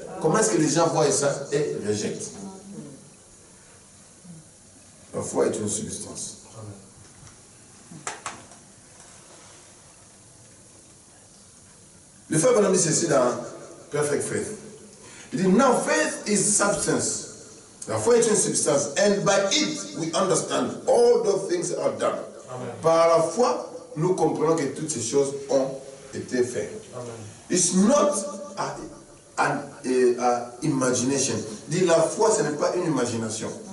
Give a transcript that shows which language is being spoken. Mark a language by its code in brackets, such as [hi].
[fr] Comment est-ce que les gens voient ça et rejettent? La foi est une substance. Le frère Benoît dit ceci dans Perfect Faith. Il dit, [en] now faith is substance. [fr] La foi est une substance. [en] And by it, we understand all the things are done. Amen. [fr] Par la foi, nous comprenons que toutes ces choses ont été faites. Amen. [en] It's not an imagination. [fr] Il dit la foi, ce n'est pas une imagination.